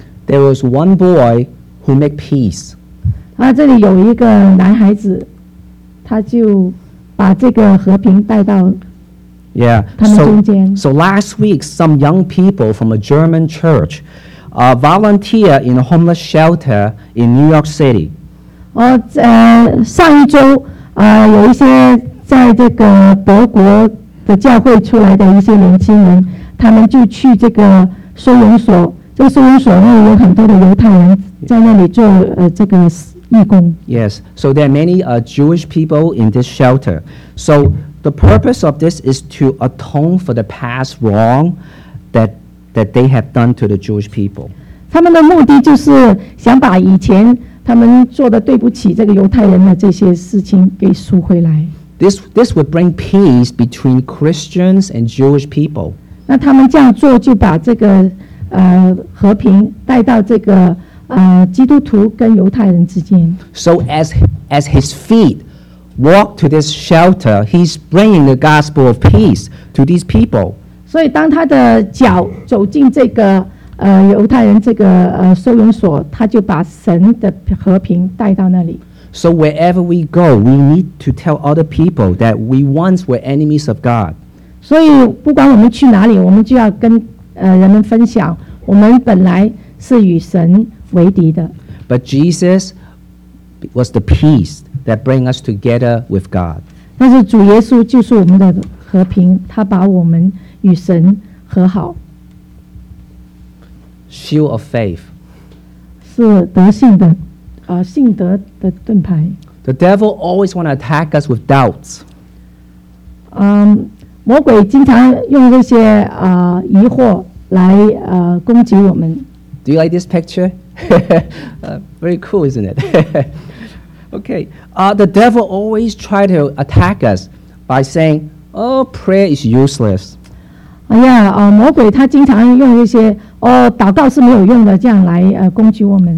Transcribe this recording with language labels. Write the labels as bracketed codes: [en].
[en] There was one boy who made peace. [zh] 这里有一个男孩子，他就把这个和平带到。 [en] Yeah, so last week, some young people from a German church volunteered in a homeless shelter in New York City. [zh] 上一周，有一些在这个德国的教会出来的一些年轻人，他们就去这个收容所。这个收容所呢，有很多的犹太人在那里做这个义工。 [en] Yes, so there are many Jewish people in this shelter. So the purpose of this is to atone for the past wrong that they have done to the Jewish people. [zh] 他们的目的就是想把以前他们做的对不起这个犹太人的这些事情给赎回来。 [en] This would bring peace between Christians and Jewish people. [zh] 那他们这样做就把这个和平带到这个基督徒跟犹太人之间。 [en] So as his feet walk to this shelter, he's bringing the gospel of peace to these people. [zh] 所以当他的脚走进这个犹太人这个收容所，他就把神的和平带到那里。 [en] So wherever we go, we need to tell other people that we once were enemies of God. [zh] 所以不管我们去哪里，我们就要跟人们分享，我们本来是与神为敌的。 [en] But Jesus was the peace that bring us together with God. [zh] 但是主耶稣就是我们的和平，他把我们与神和好。 [en] Shield of faith. [zh] 是德性的，信德的盾牌。 [en] The devil always want to attack us with doubts. [zh] 魔鬼经常用这些疑惑来攻击我们。 [en] Do you like this picture? very cool, isn't it? Okay, the devil always try to attack us by saying, "Oh, prayer is useless." [zh] Yeah, 魔鬼他经常用一些祷告是没有用的这样来攻击我们。